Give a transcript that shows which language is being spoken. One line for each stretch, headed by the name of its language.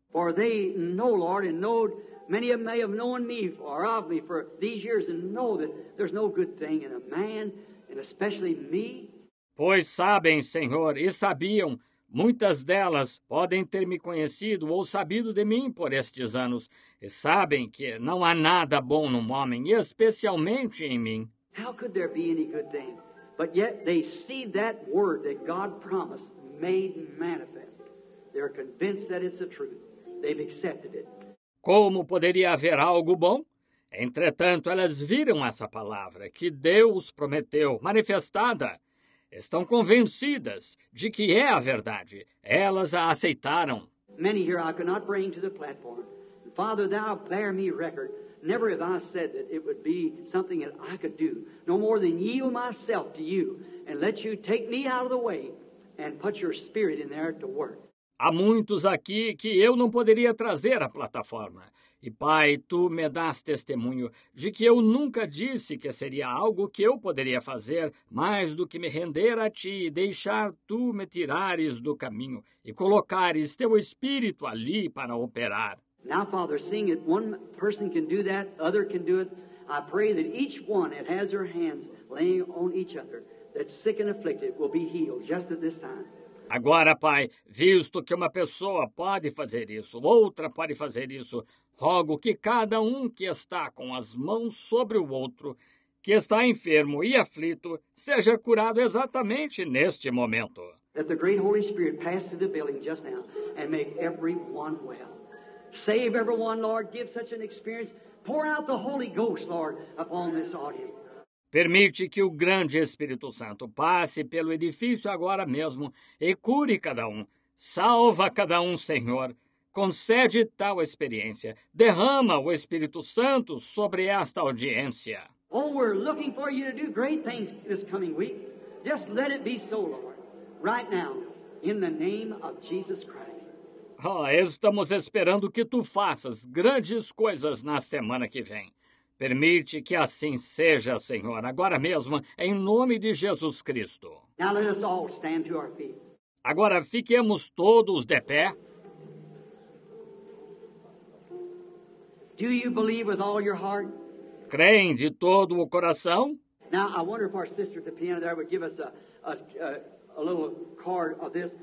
English: For they know, Lord, and know, many of them may have known me or of me for these years and know that there's no good thing in a man, and especially me.
Portuguese: Pois sabem, Senhor, e sabiam, muitas delas podem ter me conhecido ou sabido de mim por estes anos, e sabem que não há nada bom no homem, especialmente em mim.
English: How could there be any good thing? But yet they see that word that God promised made manifest. They're convinced that it's the truth. They've accepted it.
Portuguese: Como poderia haver algo bom? Entretanto, elas viram essa palavra que Deus prometeu manifestada. Estão convencidas de que é a verdade. Elas a aceitaram.
English: Many here I cannot bring to the platform. Father, thou bear me record. Never have I said that it would be something that I could do, no more than yield myself to you and let you take me out of the way and put your spirit in there to work.
Portuguese: Há muitos aqui que eu não poderia trazer à plataforma. E, Pai, Tu me das testemunho de que eu nunca disse que seria algo que eu poderia fazer mais do que me render a Ti e deixar Tu me tirares do caminho e colocares Teu Espírito ali para operar.
English: Now, Father, seeing that one person can do that, other can do it, I pray that each one that has their hands laying on each other, that sick and afflicted, will be healed just at this time.
Portuguese: Agora, Pai, visto que uma pessoa pode fazer isso, outra pode fazer isso, rogo que cada um que está com as mãos sobre o outro, que está enfermo e aflito, seja curado exatamente neste momento.
English: That the great Holy Spirit pass through the building just now and make everyone well. Save everyone, Lord. Give such an experience. Pour out the Holy Ghost, Lord, upon this audience.
Portuguese: Permite que o grande Espírito Santo passe pelo edifício agora mesmo e cure cada um. Salva cada um, Senhor. Concede tal experiência. Derrama o Espírito Santo sobre esta audiência.
English: Oh, we're looking for you to do great things this coming week. Just let it be so, Lord. Right now, in the name of Jesus Christ.
Portuguese: Oh, estamos esperando que Tu faças grandes coisas na semana que vem. Permite que assim seja, Senhor, agora mesmo, em nome de Jesus Cristo.
English: Now let us all stand to our feet.
Portuguese: Agora fiquemos todos de pé.
English: Do you believe with all your heart?
Portuguese: Creem de todo o coração?
English: Now I wonder if our sister at the piano there would give us a little card of this.